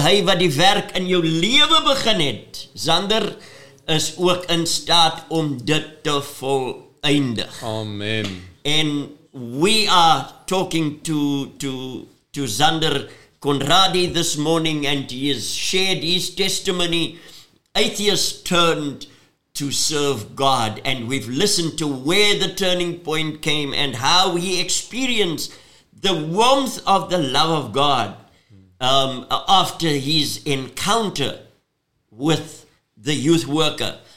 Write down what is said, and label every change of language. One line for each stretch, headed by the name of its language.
Afrikaans: Hy wat die werk in jou lewe begin het. Zander is ook in staat om dit te voleindig. Amen.
English: And we are talking to Zander Conradi this morning, and he has shared his testimony, atheist turned to serve God. And we've listened to where the turning point came and how he experienced the warmth of the love of God after his encounter with the youth worker.